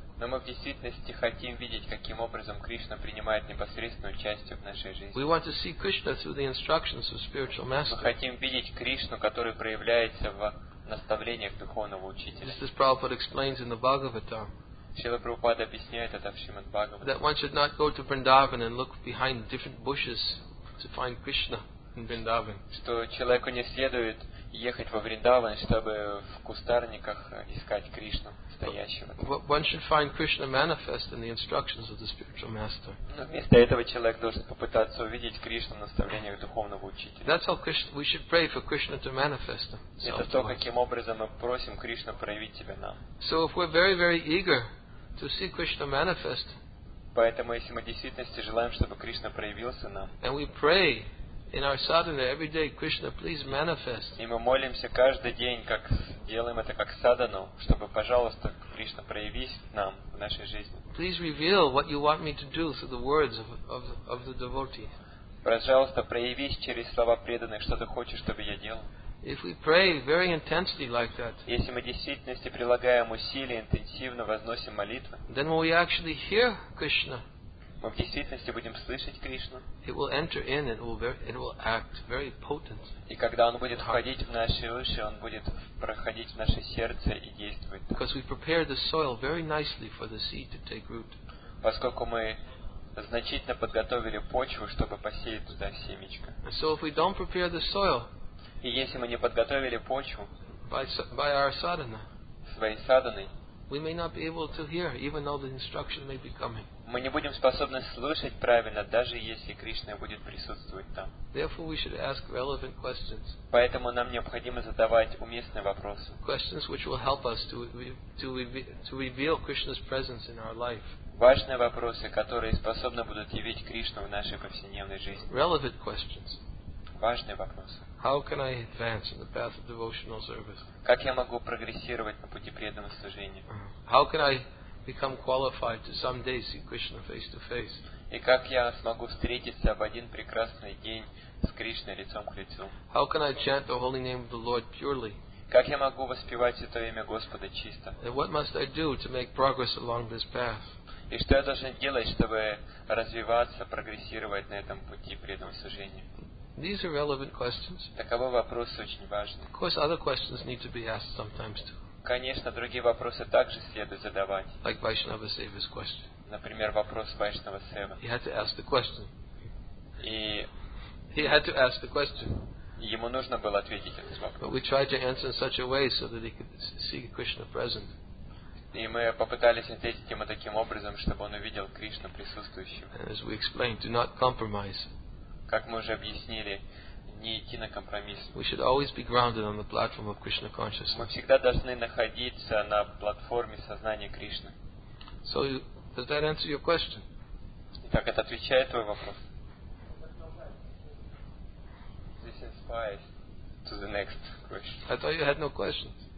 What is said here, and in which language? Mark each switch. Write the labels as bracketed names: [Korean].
[Russian] Но мы в действительности хотим видеть, каким образом Кришна принимает непосредственное участие в нашей жизни. [English] We want to see Krishna through the instructions of spiritual master. [Russian] Мы хотим видеть Кришну, который проявляется в наставлениях духовного учителя. [English] This is Prabhupada explains in the Bhagavatam. [Russian] Шрила Прабхупада объясняет это в Шримад Бхагаватам. [English] That one should not go to Vrindavan and look behind different bushes to find Krishna in Vrindavan. [Russian] Что человеку не следует ехать во Вриндаван, чтобы в кустарниках искать Кришну. [English] But one should find Krishna manifest in the instructions of the spiritual master. [Russian] Но вместо этого человек должен попытаться увидеть Кришну в наставлениях духовного учителя. [English] That's how we should pray for Krishna to manifest. [Russian] Это то, каким образом мы просим Кришну проявить себя нам. [English] So if we're very, very eager to see Krishna manifest, [Russian] поэтому если мы в действительности желаем, чтобы Кришна проявился нам, [English] and we pray In our sadhana, every day, Krishna, please manifest. [Russian] И мы молимся каждый день, как делаем это как садхану, чтобы, пожалуйста, Кришна проявись нам в нашей жизни. [English] Please reveal what you want me to do through the words of the devotee. [Russian] Пожалуйста, проявись через слова преданных, что ты хочешь, чтобы я делал. [English] If we pray very intensely like that, [Russian] если мы в действительности прилагаем усилия, интенсивно возносим молитвы, [English] then when we actually hear Krishna, [Russian] мы в действительности будем слышать Кришну. [English] It will enter in and it will act very potent. [Russian] И когда он будет входить в наши уши, он будет проходить в наше сердце и действовать. [English] Because we prepare the soil very nicely for the seed to take root. [Russian] Поскольку мы значительно подготовили почву, чтобы посеять туда семечко. [English] And so if we don't prepare the soil, [Russian] и если мы не подготовили почву [English] by our sadhana, [Russian] своей садханой, [English] we may not be able to hear, even though the instruction may be coming. [Russian] Мы не будем способны слышать правильно, даже если Кришна будет присутствовать там. [English] Therefore, we should ask relevant questions. [Russian] Поэтому нам необходимо задавать уместные вопросы. [English] Questions which will help us to reveal Krishna's presence in our life. [Russian] Важные вопросы, которые способны будут явить Кришну в нашей повседневной жизни. [English] Relevant questions. [Russian] Важные вопросы. [English] How can I advance in the path of devotional service? [Russian] Как я могу прогрессировать на пути преданного служения? [English] How can I become qualified to someday see Krishna face to face? [Russian] И как я смогу встретиться в один прекрасный день с Кришной лицом к лицу? [English] How can I chant the holy name of the Lord purely? [Russian] Как я могу воспевать святое имя Господа чисто? [English] And what must I do to make progress along this path? [Russian] И что я должен делать, чтобы развиваться, прогрессировать на этом пути преданного служения? [English] These are relevant questions. [Russian] Таковы вопросы очень важны. [English] Of course, other questions need to be asked sometimes too. [Russian] Конечно, другие вопросы также следует задавать. [English] Like Vaishnava Seva's question. [Russian] Например, вопрос Вайшнава Сева. [English] He had to ask the question. [Russian] И [English] he had to ask the question. [Russian] Ему нужно было ответить этот вопрос. [English] But we tried to answer in such a way so that he could see Krishna present. [Russian] И мы попытались ответить ему таким образом, чтобы он увидел Кришну присутствующего. [English] As we explained, do not compromise. [Russian] Как мы уже объяснили, не идти на компромисс. [English] We should always be grounded on the platform of Krishna consciousness. [Russian] Мы всегда должны находиться на платформе сознания Кришны. [English] So, does that answer your question? [Russian] Итак, это отвечает твой вопрос? [English] This inspires to the next question. I thought you had no questions.